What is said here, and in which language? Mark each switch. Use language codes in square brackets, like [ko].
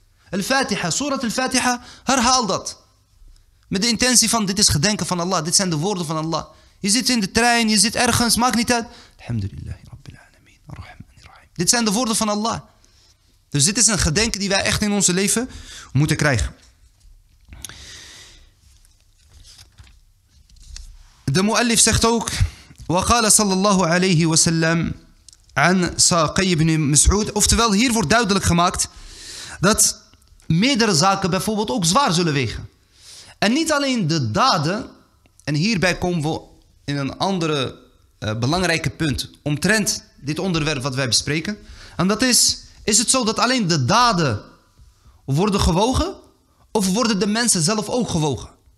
[nl] Al-Fatiha, Surat al-Fatiha, herhaal dat. Met de intentie van dit is gedenken van Allah, dit zijn de woorden van Allah. Je zit in de trein, je zit ergens, maakt niet uit. [ar] Alhamdulillah, Rabbil Alameen, Ar-Rahman, Ar-Rahim. [nl] Dit zijn de woorden van Allah. Dus dit is een gedenken die wij echt in onze leven moeten krijgen. [ar] De mu'allif zegt ook, وقال صلى الله عليه وسلم عن ساقي بن مسعود. [nl] Oftewel, hier wordt duidelijk gemaakt dat meerdere zaken bijvoorbeeld ook zwaar zullen wegen. En niet alleen de daden, en hierbij komen we in een andere belangrijke punt omtrent dit onderwerp wat wij bespreken. En dat is het zo dat alleen de daden worden gewogen of worden de mensen zelf ook gewogen?